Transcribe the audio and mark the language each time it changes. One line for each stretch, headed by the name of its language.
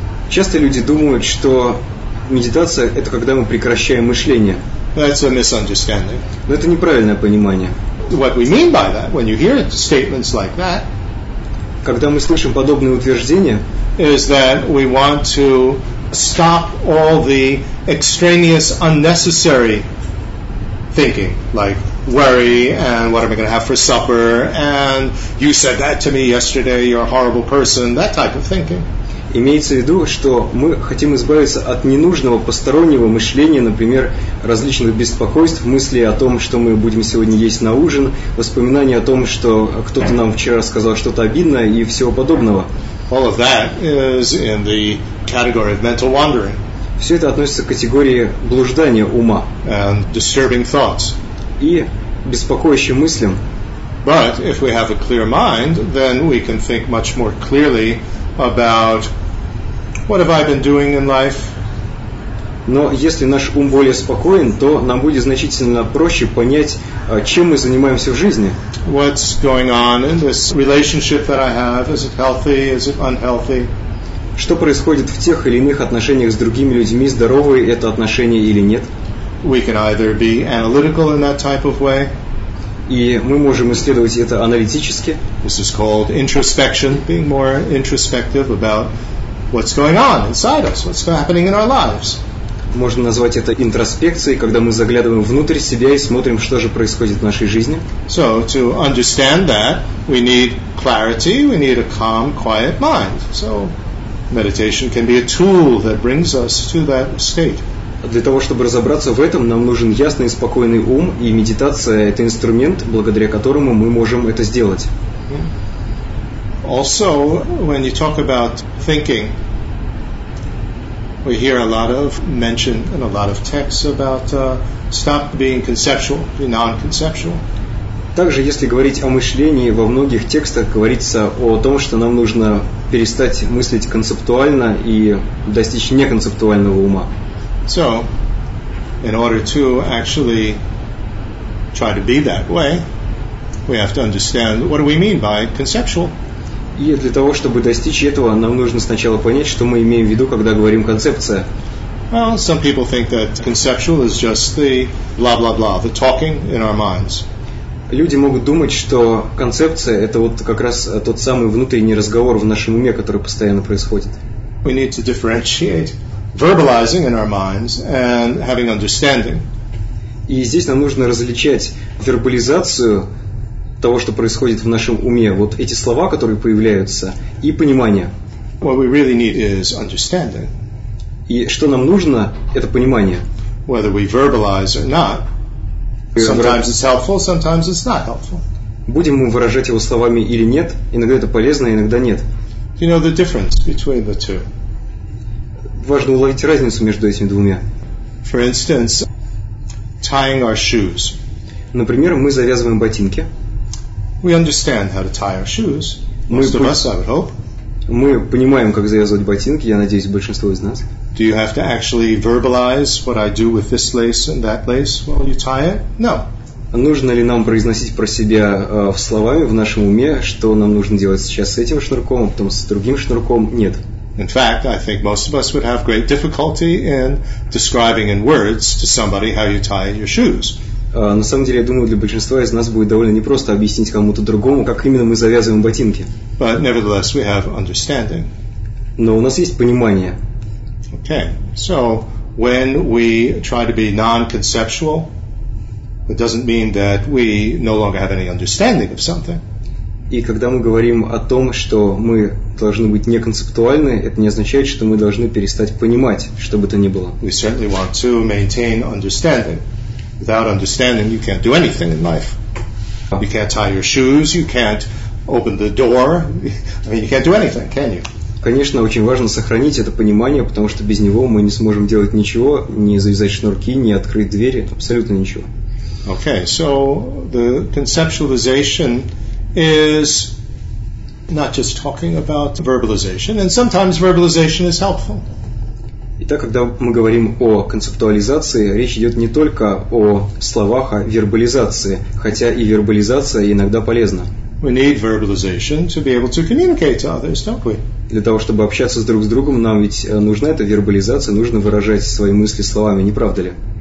Russian: Часто люди думают, что медитация – это когда мы прекращаем мышление.
English: That's a misunderstanding.
Russian: Но это неправильное понимание.
English: What we mean by that, when you hear statements like that,
Russian: когда мы слышим подобные утверждения,
English: is that we want to stop all the extraneous, unnecessary thinking, like worry and what am I going to have for supper, and you said that to me yesterday, you're a horrible person, that type of thinking.
Russian: Имеется в виду, что мы хотим избавиться от ненужного постороннего мышления, например, различных беспокойств, мыслей о том, что мы будем сегодня есть на ужин, воспоминания о том, что кто-то нам вчера сказал что-то обидное и всего подобного.
English: All of that is in the category of mental wandering.
Russian: Все это относится к категории блуждания ума.
English: And disturbing thoughts.
Russian: И беспокоящим мыслям.
English: But if we have a clear mind, then we can think much more clearly about what have I been doing in life.
Russian: Но если наш ум более спокоен, то нам будет значительно проще понять, чем мы занимаемся в жизни.
English: What's going on in this relationship that I have? Is it healthy? Is it unhealthy?
Russian: Что происходит в тех или иных отношениях с другими людьми, здоровые это отношения или нет?
English: We can either be analytical in that type of way.
Russian: И мы можем исследовать это аналитически.
English: This is called introspection, being more introspective about what's going on inside us, what's happening in our lives.
Russian: Можно назвать это интроспекцией, когда мы заглядываем внутрь себя и смотрим, что же происходит в нашей жизни.
English: So, to understand that, we need clarity, we need a calm, quiet mind. So, meditation can be a tool that brings us to that state.
Russian: Для того, чтобы разобраться в этом, нам нужен ясный и спокойный ум, и медитация – это инструмент, благодаря которому мы можем это сделать.
English: Also, when you talk about thinking, we hear a lot of mention and a lot of texts about stop being conceptual, be non-conceptual.
Russian: Также, если говорить о мышлении, во многих текстах говорится о том, что нам нужно перестать мыслить концептуально и достичь неконцептуального ума.
English: So, in order to actually try to be that way, we have to understand what do we mean by conceptual.
Russian: И для того, чтобы достичь этого, нам нужно сначала понять, что мы имеем в виду, когда говорим концепция.
English: Well, some people think that conceptual is just the blah-blah-blah, the talking in our minds.
Russian: Люди могут думать, что концепция – это вот как раз тот самый внутренний разговор в нашем уме, который постоянно происходит.
English: We need to differentiate verbalizing in our minds and having understanding.
Russian: И здесь нам нужно различать вербализацию того, что происходит в нашем уме, вот эти слова, которые появляются, и понимание.
English: What we really need is understanding.
Russian: И что нам нужно, это понимание.
English: Whether we verbalize or not. Sometimes it's helpful, sometimes it's not helpful.
Russian: Будем мы выражать его словами или нет, иногда это полезно, иногда нет.
English: You know the difference between the two.
Russian: Важно уловить разницу между этими двумя.
English: For instance, tying our shoes.
Russian: Например, мы завязываем ботинки.
English: We understand how to tie our shoes. Most of us, I would hope.
Russian: Мы понимаем, как завязывать ботинки, я надеюсь, большинство из нас.
English: Do you have to actually verbalize what I do with this lace and that lace while you tie it? No.
Russian: Нужно ли нам произносить про себя в словами, в нашем уме, что нам нужно делать сейчас с этим шнурком, а потом с другим шнурком? Нет.
English: In fact, I think most of us would have great difficulty in describing in words to somebody how you tie your shoes.
Russian: На самом деле, я думаю, для большинства из нас будет довольно непросто объяснить кому-то другому, как именно мы завязываем ботинки.
English: But nevertheless, we have understanding.
Russian: Но у нас есть понимание.
English: Okay. So, when we try to be non-conceptual, it doesn't mean that we no longer have any understanding of something.
Russian: И когда мы говорим о том, что мы должны быть неконцептуальны, это не означает, что мы должны перестать понимать, что бы то ни было.
English: We certainly want to maintain understanding. Without understanding, you can't do anything in life. You can't tie your shoes, you can't open the door. I mean, you can't do anything, can you?
Russian: Конечно, очень важно сохранить это понимание, потому что без него мы не сможем делать ничего, ни завязать шнурки, ни открыть двери, абсолютно ничего.
English: Okay, so the conceptualization is not just talking about verbalization, and sometimes verbalization is helpful.
Russian: Итак, когда мы говорим о концептуализации, речь идет не только о словах, а вербализации, хотя и вербализация иногда полезна.
English: We need verbalization to be able to communicate to others, don't we?
Russian: Для того, чтобы общаться друг с другом, нам ведь нужна эта вербализация, нужно выражать свои мысли словами, не правда ли?